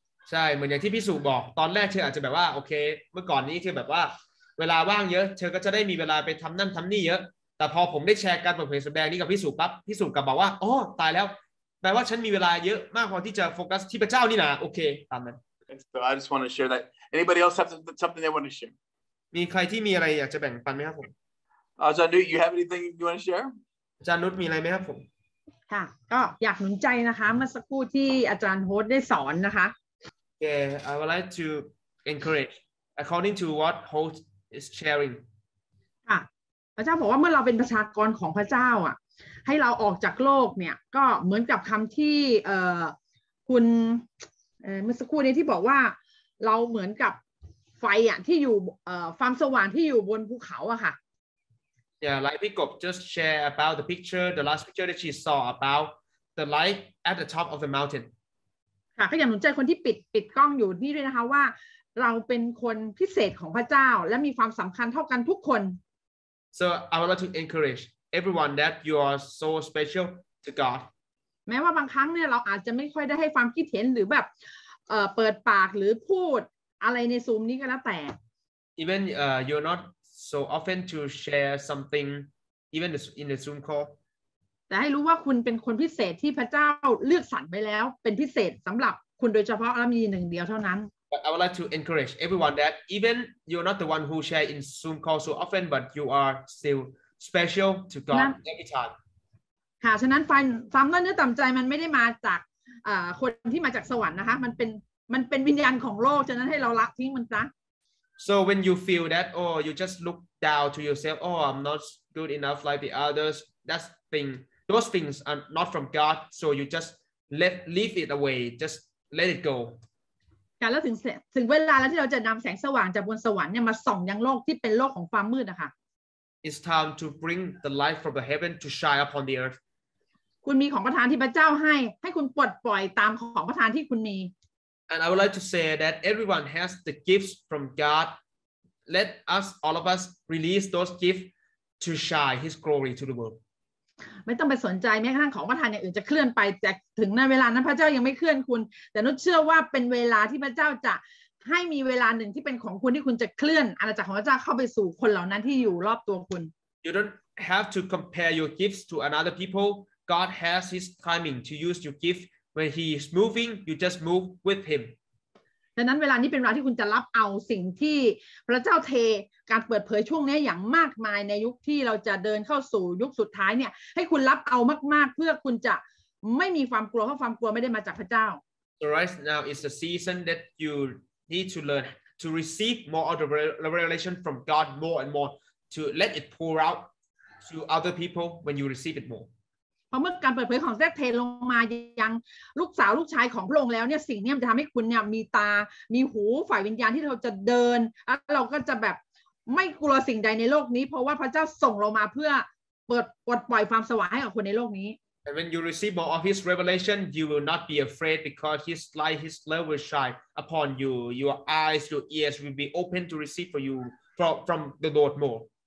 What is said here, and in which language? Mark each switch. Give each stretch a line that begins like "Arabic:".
Thai: ใช่เหมือนอย่างที่พี่สุบอกตอนแรกเธออาจจะแบบว่าโอเคเมื่อก่อนนี้เธอแบบว่าเวลาว่างเยอะเธอก็จะได้มีเวลาไปทำนั่นทำนี่เยอะแต่พอผมได้แชร์การเปิดเผยสำแดงนี้กับพี่สุปั๊บพี่สุกลับบอกว่าอ๋อตายแล้วแปลว่าฉันมีเวลาเยอะมากพอที่จะโฟกัสที่พระเจ้านี่นะโอเคตามนั้น
English: So I just want to share thatAnybody else have something they want to share?
Thai: มีใครที่มีอะไรอยากจะแบ่งปันไหมครับผม
English: John Newt, you have anything you want to share?
Thai: John Newt, มีอะไรไหมครับผม ค่ะก็อยากหนุนใจนะคะเมื่อสักครู่ที่อาจารย์โฮสต์ได้สอนนะคะ
English: Okay, I would like to encourage according to what host is sharing.
Thai: ค่ะพระเจ้าบอกว่าเมื่อเราเป็นประชากรของพระเจ้าอ่ะให้เราออกจากโลกเนี่ยก็เหมือนกับคำที่คุณเมื่อสักครู่นี้ที่บอกว่าเราเหมือนกับไฟอ่ะที่อยู่ความสว่างที่อยู่บนภูเขาอะค่ะ
English: Yeah, like พี่กบ just share about the picture, the last picture that she saw about the light at the top of the mountain.
Thai: ค่ะก็อย่างหนุนใจคนที่ปิดกล้องอยู่นี่ด้วยนะคะว่าเราเป็นคนพิเศษของพระเจ้าและมีความสำคัญเท่ากันทุกคน
English: So I would like to encourage everyone that you are so special to God.
Thai: แม้ว่าบางครั้งเนี่ยเราอาจจะไม่ค่อยได้ให้ความคิดเห็นหรือแบบเปิดปากหรือพูดอะไรในซูมนี้ก็แล้วแต่
English: even you're not so often to share something even in the Zoom call
Thai: แต่ให้รู้ว่าคุณเป็นคนพิเศษที่พระเจ้าเลือกสรรไปแล้วเป็นพิเศษสำหรับคุณโดยเฉพาะและมีหนึ่งเดียวเท่านั้น
English: but I would like to encourage everyone that even you're not the one who share in Zoom call so often but you are still special to God every time
Thai: ค่ะฉะนั้นความนั่นเนื้อต่ำใจมันไม่ได้มาจากคนที่มาจากสวรรค์นะคะมันเป็นวิญญาณของโลกฉะนั้นให้เราละทิ้งมันซะ
English: So when you feel that oh you just look down to yourself oh I'm not good enough like the others that thing those things are not from God so you just leave it away just let it go
Thai: แล้วถึงเวลาแล้วที่เราจะนำแสงสว่างจากบนสวรรค์เนี่ยมาส่องยังโลกที่เป็นโลกของความมืดนะคะ
English: It's time to bring the light from the heaven to shine upon the earth
Thai: คุณมีของประทานที่พระเจ้าให้คุณปลดปล่อยตามของประทานที่คุณมี
English: And I would like to say that everyone has the gifts from God. Let us all of us release those gifts to shine His glory to the world.
Thai: ไม่ต้องไปสนใจแม้กระทั่งของประทานอย่างอื่นจะเคลื่อนไปแต่ถึงในเวลานั้นพระเจ้ายังไม่เคลื่อนคุณแต่นุชเชื่อว่าเป็นเวลาที่พระเจ้าจะให้มีเวลาหนึ่งที่เป็นของคุณที่คุณจะเคลื่อนอาณาจักรของพระเจ้าเข้าไปสู่คนเหล่านั้นที่อยู่รอบตัวคุณ
English: You don't have to compare your gifts to another people. God has his timing to use your gift when he is moving you just move with him
Thai: ดังนั้นเวลานี้เป็นเวลาที่คุณจะรับเอาสิ่งที่พระเจ้าเทการเปิดเผยช่วงนี้อย่างมากมายในยุคที่เราจะเดินเข้าสู่ยุคสุดท้ายเนี่ยให้คุณรับเอามากๆเพื่อคุณจะไม่มีความกลัวเพราะความกลัวไม่ได้มาจากพระเจ้า
English: So right now is the season that you need to learn to receive more of the revelation from God more and more to let it pour out to other people when you receive it more
Thai: พอเมื่อการเปิดเผยของแท้เทลงมายังลูกสาวลูกชายของพระองค์แล้วเนี่ยสิ่งนี้จะทำให้คุณเนี่ยมีตามีหูฝ่ายวิญญาณที่เราจะเดินแล้วเราก็จะแบบไม่กลัวสิ่งใดในโลกนี้เพราะว่าพระเจ้าส่งเรามาเพื่อเ ปลดปล่อยความสว่างให้กับคนในโลกนี้
English: And when you receive more of his revelation you will not be afraid because his light his love will shine upon you your eyes your ears will be open to receive for you from the Lord more